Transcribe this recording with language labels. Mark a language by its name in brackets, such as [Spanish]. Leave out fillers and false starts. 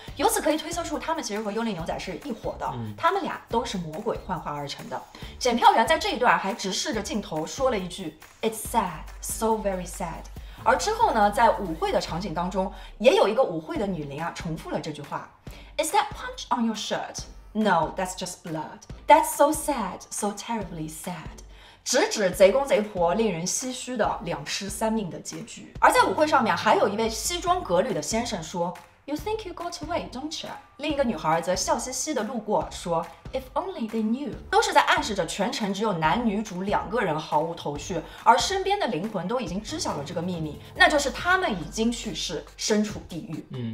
[Chinese] 由此可以推测出他们其实和幽灵牛仔是一伙的，他们俩都是魔鬼幻化而成的。检票员在这一段还直视着镜头说了一句 It's sad, so very sad。而之后呢，在舞会的场景当中，也有一个舞会的女伶啊重复了这句话 Is that punch on your shirt? [English] No, that's just blood. That's so sad, so terribly sad. [Chinese] 直指贼公贼婆令人唏嘘的两尸三命的结局。而在舞会上面，还有一位西装革履的先生说 You think you got away, don't you? 另一个女孩则笑嘻嘻的路过说 If only they knew. 都是在暗示着全程只有男女主两个人毫无头绪，而身边的灵魂都已经知晓了这个秘密，那就是他们已经去世，身处地狱。